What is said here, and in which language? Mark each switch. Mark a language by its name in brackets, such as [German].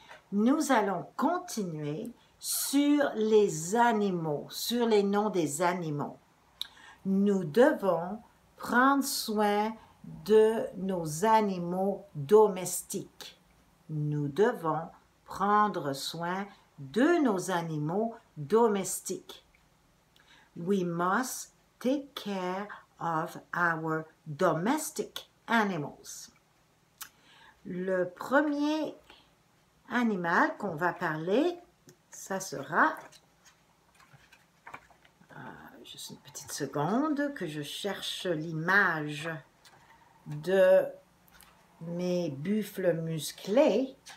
[French] Nous allons continuer sur les animaux, sur les noms des animaux. Nous devons prendre soin de nos animaux domestiques. Nous devons prendre soin de nos animaux domestiques. [English] We must take care of our domestic animals. [French] Le premier animal qu'on va parler, ça sera... juste une petite seconde que je cherche l'image de mes buffles musclés.